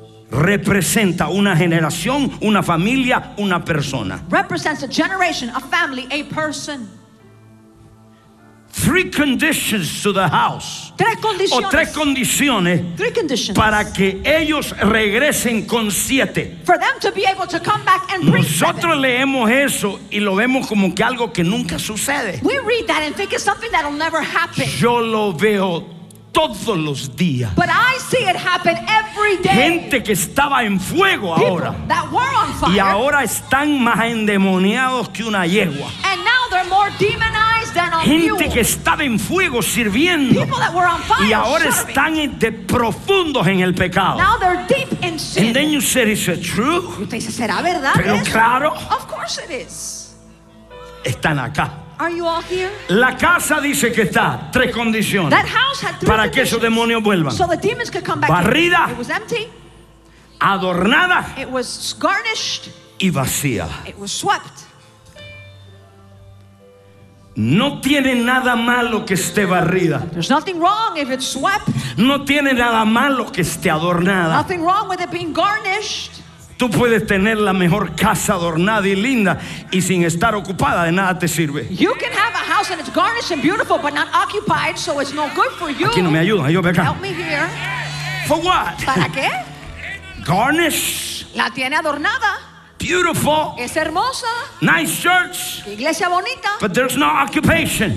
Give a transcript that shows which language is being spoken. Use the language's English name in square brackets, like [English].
[Spanish] Representa una generación, una familia, una persona. [English] Represents a generation, a family, a person. Three conditions to the house. [Spanish] Tres condiciones. O tres condiciones. [English] Three conditions. [Spanish] Para que ellos regresen con siete. [English] For them to be able to come back and [Spanish] nosotros [English] bring. [Spanish] Nosotros leemos eso y lo vemos como que algo que nunca sucede. [English] We read that and think it's something that'll never happen. [Spanish] Yo lo veo todos los días. [English] But I see it happen every day. [Spanish] Gente que estaba en fuego [English] people [Spanish] ahora. [English] That were on fire. [Spanish] Y ahora están más endemoniados que una yegua. [English] And now they're more demonized than a mule. [Spanish] Gente que estaba en fuego sirviendo. [English] People that were on fire. [Spanish] Y ahora están de profundos en el pecado. [English] Now they're deep in sin. And then you said, is it true? [Spanish] Y usted dice, ¿será verdad eso? Pero claro. [English] Of course it is. [Spanish] Están acá. [English] Are you all here? [Spanish] La casa dice que está tres condiciones. [English] That house had three [Spanish] para que esos demonios vuelvan. [English] So the demons could come back. [Spanish] Barrida. [English] It was empty. [Spanish] Adornada. [English] It was garnished. [Spanish] Y vacía. [English] It was swept. [Spanish] No tiene nada malo que esté barrida. [English] There's nothing wrong if it's swept. [Spanish] No tiene nada malo que esté adornada. [English] Nothing wrong with it being garnished. [Spanish] Tú puedes tener la mejor casa adornada y linda y sin estar ocupada de nada te sirve. [English] You can have a house and it's garnished and beautiful but not occupied, so it's no good for you. [Spanish] Aquí no me ayudan, yo acá. [English] Help me here. For what? [Spanish] ¿Para qué? [English] Garnish. [Spanish] La tiene adornada. [English] beautiful. [Spanish] Es hermosa. [English] Nice church. [Spanish] Iglesia bonita. [English] But there's no occupation.